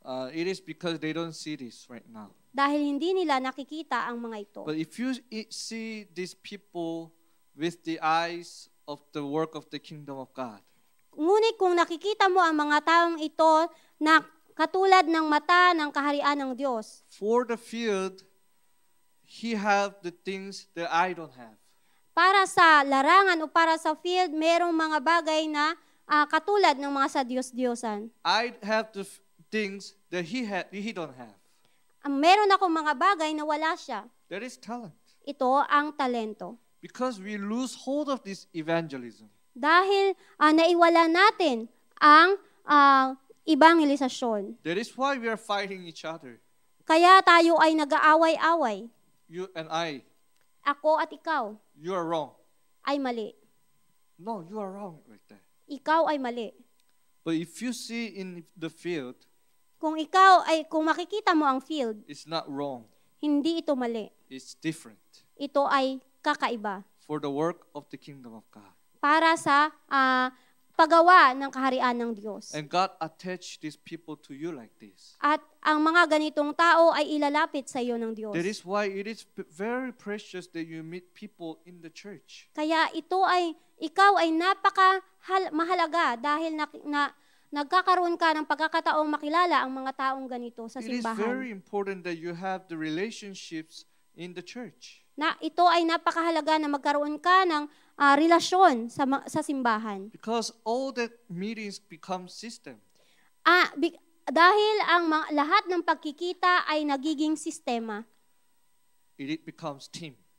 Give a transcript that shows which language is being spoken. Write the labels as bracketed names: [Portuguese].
[English] It is because they don't see this right now. [Filipino] Dahil hindi nila nakikita ang mga ito. [English] But if you see these people with the eyes of the work of the kingdom of God. [Filipino] Ngunit kung nakikita mo ang mga taong ito na katulad ng mata ng kaharian ng Diyos. [English] For the field, he have the things that I don't have. [Filipino] Para sa larangan o para sa field, merong mga bagay na katulad ng mga sa Diyos-Diyosan. [English] I have the things that he don't have. [Filipino] Meron akong mga bagay na wala siya. [English] That is talent. [Filipino] Ito ang talento. [English] Because we lose hold of this evangelism. [Filipino] Dahil naiwala natin ang evangelization. [English] That is why we are fighting each other. [Filipino] Kaya tayo ay nag-aaway-aaway. [English] You and I. [Filipino] Ako at ikaw. [English] You are wrong. [Filipino] Ay mali. [English] No, you are wrong right there. [Filipino] Ikaw ay mali. [English] But if you see in the field, [Filipino] kung makikita mo ang field, [English] it's not wrong. [Filipino] Hindi ito mali. [English] It's different. [Filipino] Ito ay kakaiba. [English] For the work of the kingdom of God. [Filipino] Para sa paggawa ng kaharian ng Diyos. [English] And God attached these people to you like this. [Filipino] At ang mga ganitong tao ay ilalapit sa iyo ng Diyos. [English] That is why it is very precious that you meet people in the church. [Filipino] Kaya ito ay ikaw ay napaka mahalaga dahil nagkakaroon ka ng pagkakataong makilala ang mga taong ganito sa simbahan. [English] It is very important that you have the relationships in the church. [Filipino] Na ito ay napakahalaga na magkaroon ka ng relasyon sa simbahan. [English] Because all the meetings become system. [Filipino] Dahil ang lahat ng pagkikita ay nagiging sistema. [English] It becomes team.